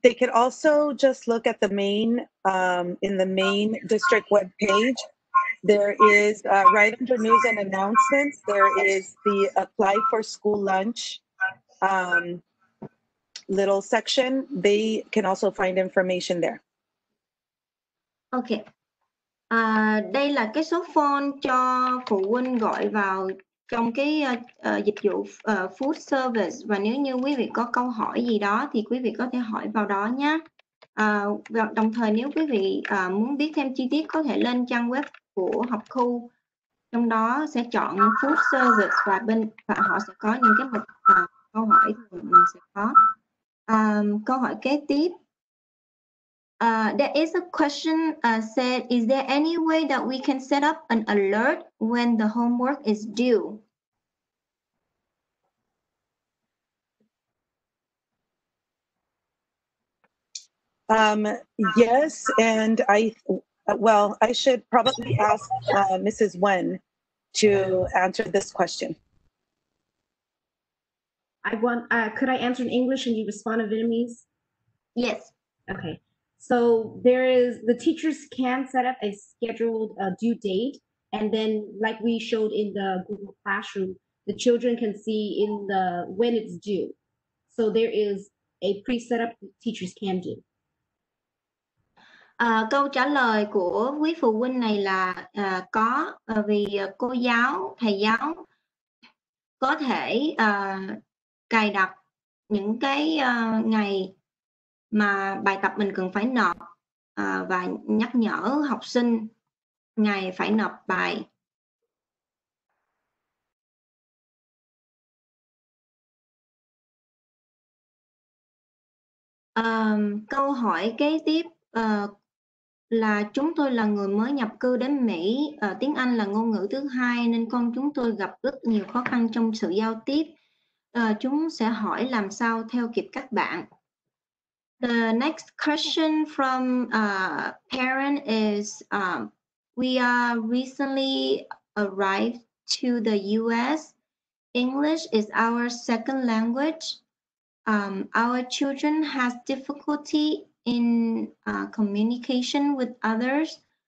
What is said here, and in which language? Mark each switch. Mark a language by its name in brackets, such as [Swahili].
[English] They could also just look at the main in the main district webpage. There is right under news and announcements. There is the apply for school lunch. Little section, they can also find information there. Okay. [Vietnamese] Đây là cái số phone cho phụ huynh gọi vào trong cái dịch vụ food service, và nếu như quý vị có câu hỏi gì đó thì quý vị có thể hỏi vào đó nhé. Đồng thời nếu quý vị muốn biết thêm chi tiết có thể lên trang web của học khu, trong đó sẽ chọn food service và bên và họ sẽ có những cái mục câu hỏi thì mình sẽ có. Câu hỏi kế tiếp. [English] There is a question said, is there any way that we can set up an alert when the homework is due? Yes, and I should probably ask Mrs. Wen to answer this question. I want, could I answer in English and you respond in Vietnamese? Yes. Okay. So there is, the teachers can set up a scheduled due date. And then like we showed in the Google Classroom, the children can see in the, when it's due. So there is a pre-setup teachers can do. [Vietnamese] Câu trả lời của quý phụ huynh này là có, vì cô giáo, thầy giáo có thể cài đặt những cái ngày mà bài tập mình cần phải nộp và nhắc nhở học sinh ngày phải nộp bài. Câu hỏi kế tiếp là chúng tôi là người mới nhập cư đến Mỹ, tiếng Anh là ngôn ngữ thứ hai nên con chúng tôi gặp rất nhiều khó khăn trong sự giao tiếp. Chúng sẽ hỏi làm sao theo kịp các bạn. [English] The next question from parent is we are recently arrived to the US. English is our second language. Our children has difficulty in communication with others.